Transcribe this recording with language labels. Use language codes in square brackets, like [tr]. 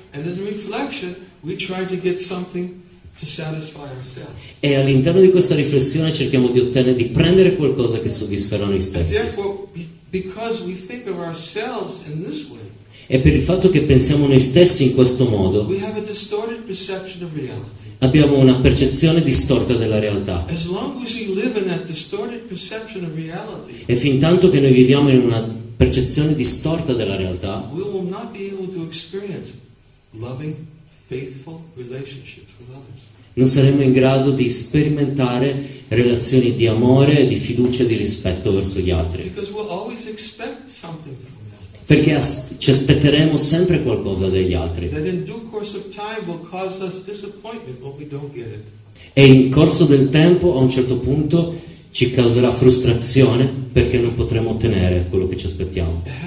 [en] And in reflection, we try to get something to satisfy ourselves. [it] E all'interno di questa riflessione cerchiamo di ottenere, di prendere qualcosa che soddisferà noi stessi. [en] And therefore, because we think of ourselves in this way, [it] e per il fatto che pensiamo noi stessi in questo modo, [en] we have a distorted perception of reality. [it] Abbiamo una percezione distorta della realtà. [en] As long as we live in that distorted perception of reality, [it] e fin tanto che noi viviamo in una percezione distorta della realtà, [en] we will not be able to experience loving, faithful relationships with others. [it] Non saremo in grado di sperimentare relazioni di amore, di fiducia e di rispetto verso gli altri. [en] Because we'll always expect something from them. [it] Perché ci aspetteremo sempre qualcosa dagli altri. [en] That in due course of time will cause us disappointment when we don't get it. [it] E in corso del tempo, a un certo punto, ci causerà frustrazione perché non potremo ottenere quello che ci aspettiamo.